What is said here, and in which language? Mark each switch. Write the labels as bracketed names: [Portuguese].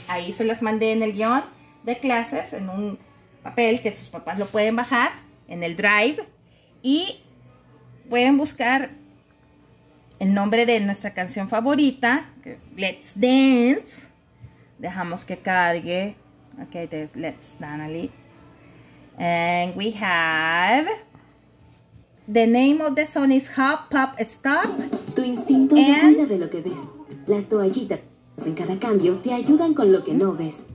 [Spanish] Ahí se las mandé en el guión de clases, en un papel que sus papás lo pueden bajar en el Drive. Y pueden buscar el nombre de nuestra canción favorita, Let's Dance. Dejamos que cargue. [English] Ok, there's Let's Dance. And we have the name of the song is Hop, Pop, Stop. [Spanish] Tu instinto te cuida de lo que ves. Las toallitas en cada cambio te ayudan con lo que no ves.